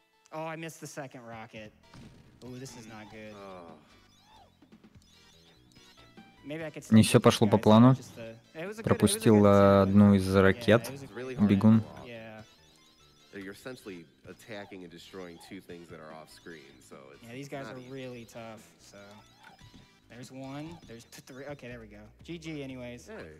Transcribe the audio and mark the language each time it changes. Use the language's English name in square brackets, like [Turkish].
[English] Oh, I missed the second rocket. Ooh, this is not good. Maybe I could see. [Russian] Не все пошло по плану. Пропустил одну из ракет. Бегун. [English] You're essentially attacking and destroying two things that are off screen, so it's. Yeah, these guys are really tough, so. There's one, there's three. Okay, there we go. GG anyways.